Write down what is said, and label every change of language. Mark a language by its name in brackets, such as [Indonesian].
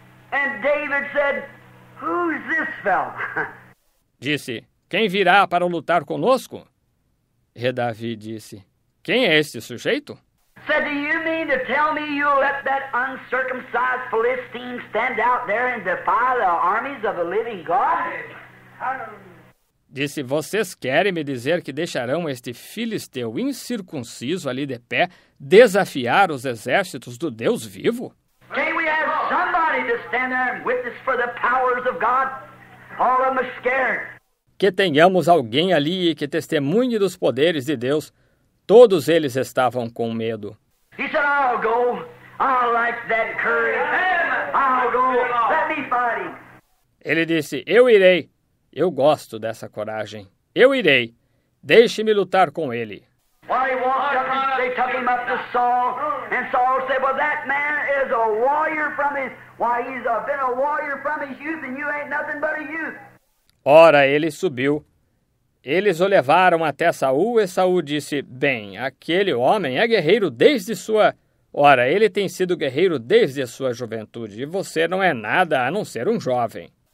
[English] And David said, who's this fellow? [Portuguese] disse, quem virá para lutar conosco? E Davi disse, quem é este sujeito? [English] Said, do you mean to tell me you'll let that uncircumcised Philistine stand out there and defy the armies of the living God? [Portuguese] Disse, vocês querem me dizer que deixarão este filisteu incircunciso ali de pé desafiar os exércitos do Deus vivo? [English] Can we have somebody to stand there and witness for the powers of God? All of them are scared. [Portuguese] Que tenhamos alguém ali que testemunhe dos poderes de Deus. Todos eles estavam com medo. [English] He said, I'll go. I like that courage. I'll go. Let me fight him. [Portuguese] Ele disse, eu irei. Eu gosto dessa coragem. Eu irei. Deixe-me lutar com ele. [English] While he walked up, they took him up to Saul. And Saul said, well, that man is a warrior from his... Why, he's been a warrior from his youth, and you ain't nothing but a youth. [Portuguese] Ora, ele subiu. Eles o levaram até Saul, e Saul disse, bem, aquele homem é guerreiro desde sua... Ora, ele tem sido guerreiro desde a sua juventude, e você não é nada a não ser um jovem.